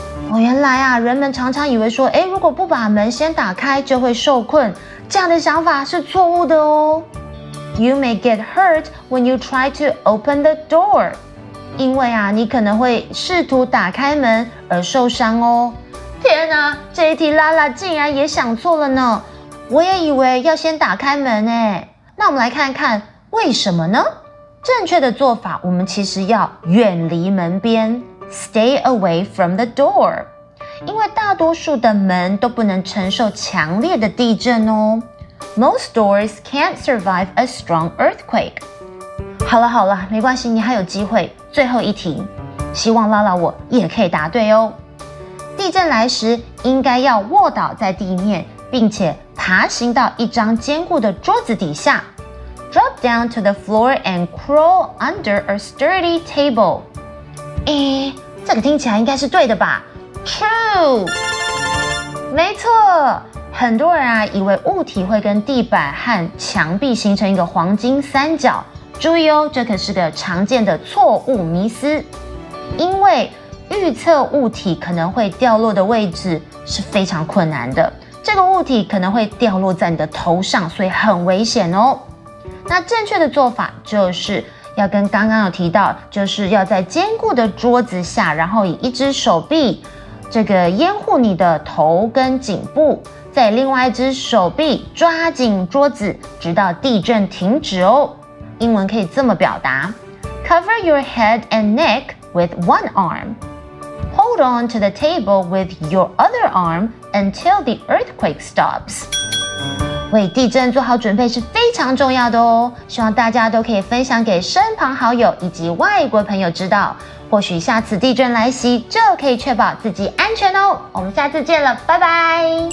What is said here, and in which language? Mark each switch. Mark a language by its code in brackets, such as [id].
[zh] 哦，原来啊，人们常常以为说，如果不把门先打开就会受困，这样的想法是错误的哦。 [en] You may get hurt when you try to open the door. [zh] 因为啊，你可能会试图打开门而受伤哦。天啊，这一题拉拉竟然也想错了呢。我也以为要先打开门诶。那我们来看看为什么呢？正确的做法，我们其实要远离门边。 [en] Stay away from the door. [zh] 因为大多数的门都不能承受强烈的地震哦。 [en] Most doors can't survive a strong earthquake. [zh] 好了好了，没关系，你还有机会。最后一题，希望拉拉我也可以答对哦。地震来时，应该要卧倒在地面，并且爬行到一张坚固的桌子底下。 [en] Drop down to the floor and crawl under a sturdy table. [zh] 这个听起来应该是对的吧 ？True， 没错。很多人啊，以为物体会跟地板和墙壁形成一个黄金三角。注意哦，这可是个常见的错误迷思。因为预测物体可能会掉落的位置是非常困难的。这个物体可能会掉落在你的头上，所以很危险哦。那正确的做法就是。要跟刚刚有提到，就是要在坚固的桌子下，然后以一只手臂，这个掩护你的头跟颈部，在另外一只手臂抓紧桌子，直到地震停止哦。英文可以这么表达 [en] ：Cover your head and neck with one arm. Hold on to the table with your other arm until the earthquake stops. [zh] 为地震做好准备是非常重要的哦，希望大家都可以分享给身旁好友以及外国朋友知道，或许下次地震来袭就可以确保自己安全哦。我们下次见了，拜拜。